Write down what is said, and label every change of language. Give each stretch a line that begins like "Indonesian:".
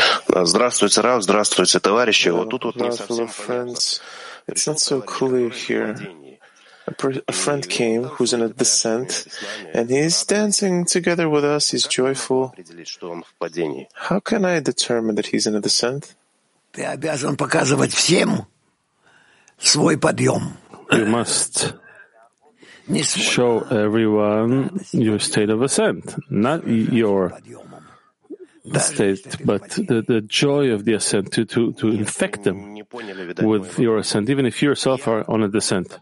Russian: Здравствуйте, Рав, здравствуйте, товарищи. Вот тут вот
English: It's not so clear here. A friend came who's in a descent, and he's dancing together with us. He's joyful. How can I determine that he's in a descent?
Russian: Ты обязан показывать всем свой подъем.
English: You must show everyone your state of ascent, not your state, but the joy of the ascent to infect them with your ascent, even if you yourself are on a descent.